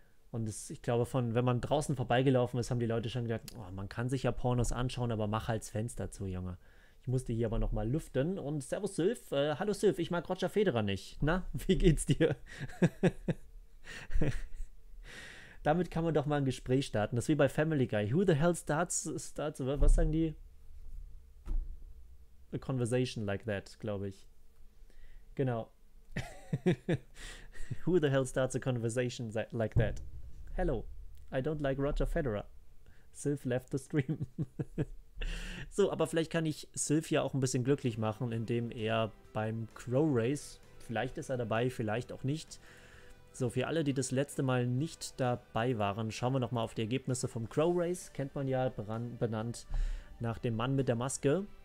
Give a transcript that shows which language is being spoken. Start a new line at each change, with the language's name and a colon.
German: Und ich glaube, wenn man draußen vorbeigelaufen ist, haben die Leute schon gedacht, oh, man kann sich ja Pornos anschauen, aber mach halt das Fenster zu, Junge. Ich musste hier aber nochmal lüften. Und Servus Sylph, hallo Sylph, ich mag Roger Federer nicht. Na, wie geht's dir? Damit kann man doch mal ein Gespräch starten. Das ist wie bei Family Guy.
English: Who the hell starts,
German: was sagen die?
English: A conversation like that,
German: glaube ich. Genau.
English: Who the hell starts a conversation like that? Hello, I don't like Roger Federer. Sylph left the stream.
German: So, aber vielleicht kann ich Sylph ja auch ein bisschen glücklich machen, indem er beim Crow Race, vielleicht ist er dabei, vielleicht auch nicht, So, für alle, die das letzte Mal nicht dabei waren, schauen wir nochmal auf die Ergebnisse vom Crow Race. Kennt man ja, benannt nach dem Mann mit der Maske.